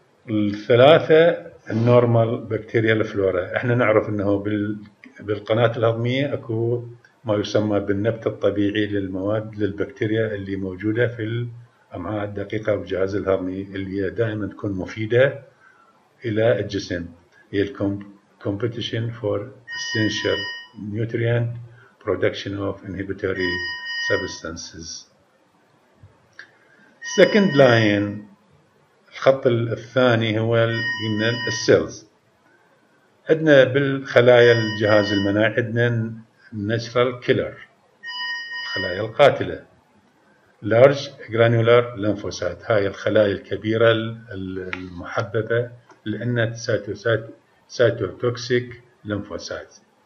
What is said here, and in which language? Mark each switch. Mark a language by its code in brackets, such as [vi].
[ar] الثلاثه النورمال بكتيريال فلورا، احنا نعرف انه بالقناه الهضميه اكو ما يسمى بالنبت الطبيعي للمواد للبكتيريا اللي موجودة في الأمعاء الدقيقة والجهاز الهضمي، اللي هي دائما تكون مفيدة إلى الجسم. [en] هي competition for essential nutrient production of inhibitory substances. Second line، [ar] الخط الثاني هو من السيلز. عندنا بالخلايا الجهاز المناعي عندنا natural killer، الخلايا القاتلة، large granular lymphocyte، هاي الخلايا الكبيرة المحببة لأنها cytotoxic lymphocytes.